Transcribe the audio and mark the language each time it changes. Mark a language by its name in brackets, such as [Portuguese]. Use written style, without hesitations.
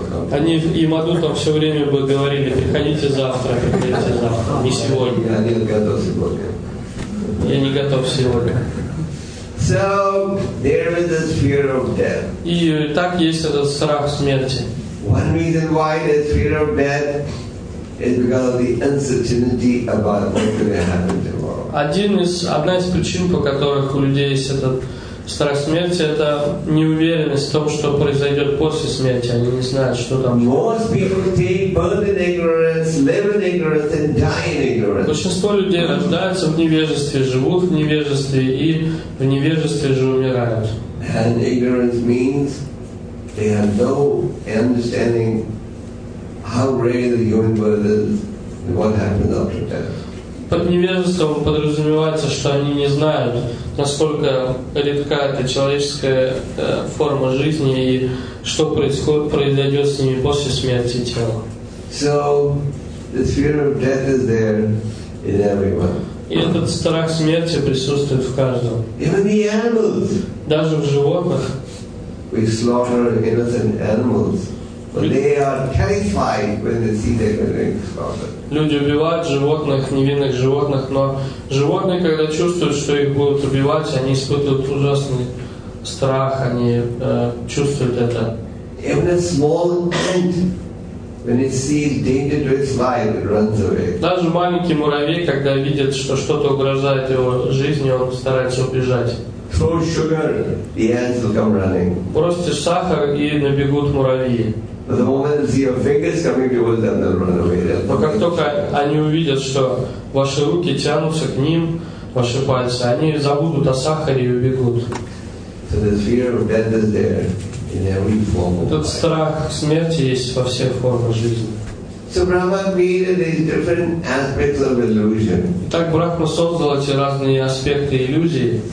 [Russian] Они и Маду там все время бы говорили: приходите завтра, приходите завтра, не сегодня. Я не готов сегодня. Я не готов сегодня. [English] So there is this fear of death. [Russian] И так есть этот страх смерти. [English] One reason why there's fear of death is because of the uncertainty about what's going to happen tomorrow. [Russian] Одна из причин, по которых у людей есть этот страх смерти, это неуверенность в том, что произойдет после смерти. Они не знают, что там. [English] Most people take birth in ignorance, live in ignorance, and die in ignorance. [Russian] Большинство людей рождаются в невежестве, живут в невежестве и в невежестве же умирают. [English] And ignorance means they have no understanding how great the universe is and what happens after death. [Russian] Под невежеством подразумевается, что они не знают, насколько редка эта человеческая форма жизни и что произойдет с ними после смерти тела. [English] So, the fear of death is there in everyone. [Russian] И этот страх смерти присутствует в каждом. [English] Even the animals. [Russian] Даже в животных. [English] We slaughter innocent animals. They are terrified when they see their feelings. [Russian] Люди убивают животных, невинных животных, но животные, когда чувствуют, что их будут убивать, они испытывают ужасный страх, они чувствуют это. [English] Even a small ant, when it sees danger to its life, it runs away. [Russian] Даже маленький муравей, когда видит, что что-то угрожает его жизни, он старается убежать. [English] Throw sugar, the ants will come running. [Russian] Бросьте сахар, и набегут муравьи. [English] The moment they see your fingers coming towards them, they'll run away. [Russian] Но как только они увидят, что ваши руки тянутся к ним, ваши пальцы, они забудут о сахаре и убегут. [English] So the fear of death is there in every form. [Russian] Этот страх смерти есть во всех формах жизни. [English] So Brahma created these different aspects of illusion. [Russian] Так Брахма создал эти разные аспекты иллюзии.